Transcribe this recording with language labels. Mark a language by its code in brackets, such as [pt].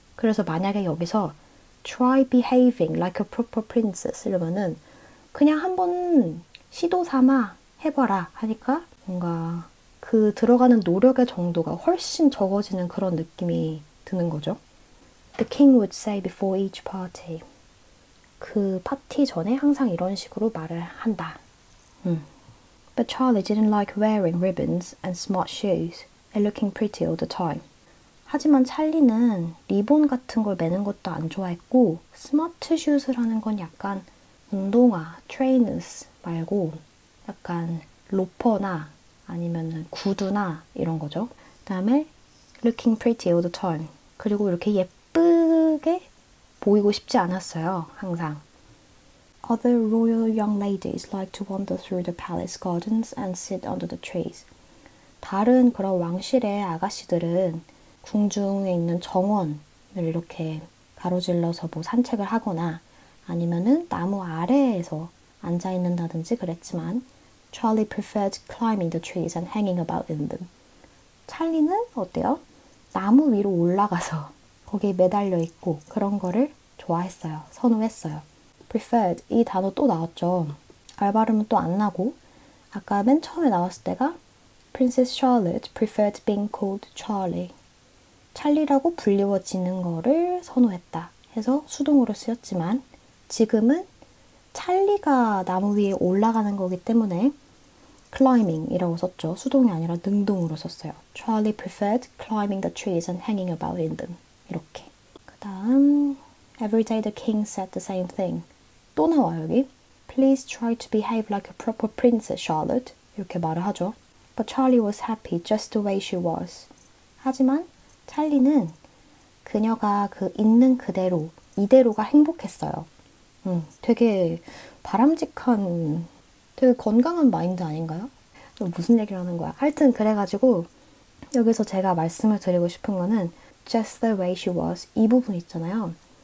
[ko] 그래서 만약에 여기서 [en] try behaving like a proper princess [ko] 이러면은 그냥 한번 시도 삼아 해봐라 하니까 뭔가 그 들어가는 노력의 정도가 훨씬 적어지는 그런 느낌이 드는 거죠. [en] The king would say before each party. [ko] 그 파티 전에 항상 이런 식으로 말을 한다. [en] But Charlie didn't like wearing ribbons and smart shoes and looking pretty all the time. [ko] 하지만 찰리는 리본 같은 걸 매는 것도 안 좋아했고, 스마트 슛을 하는 건 약간 운동화, 트레이너스 말고, 약간 로퍼나 아니면 구두나 이런 거죠. 그다음에 [en] looking pretty all the time. [ko] 그리고 이렇게 예쁘게 보이고 싶지 않았어요. 항상. [en] Other royal young ladies like to wander through the palace gardens and sit under the trees. [ko] 다른 그런 왕실의 아가씨들은 궁중에 있는 정원을 이렇게 가로질러서 뭐 산책을 하거나 아니면은 나무 아래에서 앉아 있는다든지 그랬지만 [en] Charlie preferred climbing the trees and hanging about in them. [ko] 찰리는 어때요? 나무 위로 올라가서 거기에 매달려 있고 그런 거를 좋아했어요. 선호했어요. preferred 이 단어 또 나왔죠. 알 발음은 또 안 나고 아까 맨 처음에 나왔을 때가 [en] Princess Charlotte preferred being called Charlie. [ko] 찰리라고 불리워지는 거를 선호했다 해서 수동으로 쓰였지만 지금은 찰리가 나무 위에 올라가는 거기 때문에 climbing이라고 썼죠. 수동이 아니라 능동으로 썼어요. [en] Charlie preferred climbing the trees and hanging about in them. [ko] 이렇게. 그 다음 [en] Every day the king said the same thing. [ko] 또 나와요 여기. [en] Please try to behave like a proper princess, Charlotte. [ko] 이렇게 말을 하죠. [en] But Charlie was happy just the way she was. [ko] 하지만 찰리는 그녀가 그 있는 그대로, 이대로가 행복했어요. 되게 바람직한, 되게 건강한 마인드 아닌가요? 무슨 얘기를 하는 거야? 하여튼 그래가지고 여기서 제가 말씀을 드리고 싶은 거는 [en] just the way she was [ko] 이 부분 있잖아요.